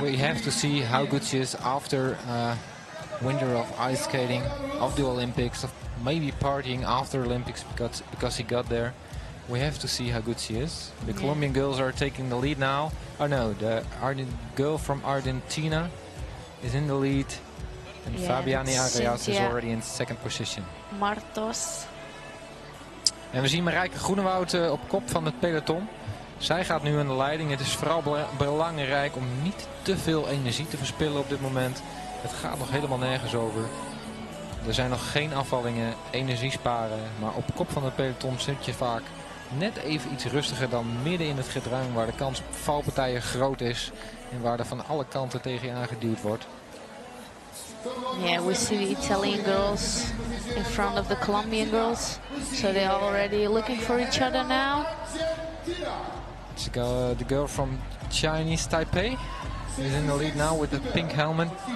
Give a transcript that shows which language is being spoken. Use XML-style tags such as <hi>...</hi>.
<en>But we have to see how good she is after winter of ice skating, of the Olympics, of maybe partying after Olympics because she got there. We have to see how good she is. The Colombian girls are taking the lead now. Oh no, the girl from Argentina is in the lead. And Fabiane Arias is already in second position. Martos.</en> <nl>En we zien Marijke Groenewoud op kop van het peloton. Zij gaat nu in de leiding. Het is vooral belangrijk om niet te veel energie te verspillen op dit moment. Het gaat nog helemaal nergens over. Er zijn nog geen afvallingen, energie sparen. Maar op kop van het peloton zit je vaak net even iets rustiger dan midden in het gedrang, waar de kans op valpartijen groot is en waar er van alle kanten tegen je aangeduwd wordt.</nl> <en>Yeah, we see the Italian girls in front of the Colombian girls. So they're already looking for each other now. It's the girl from Chinese Taipei is in the lead now with the pink helmet.</en>